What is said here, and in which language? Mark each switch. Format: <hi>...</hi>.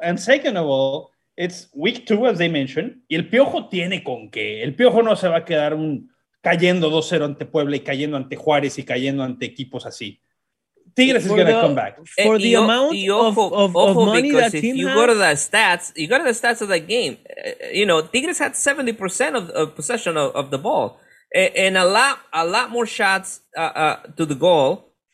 <en>And second of all, it's week two, as they mentioned.</en> <es>Y el Piojo tiene con qué. El Piojo no se va a quedar cayendo 2-0 ante Puebla y cayendo ante Juárez y cayendo ante equipos así.</es> <en>Tigres is going to come back. For the amount of money that team You go to the stats of that game. You know, Tigres had 70% of possession of the ball. And a lot more shots to the goal.</en>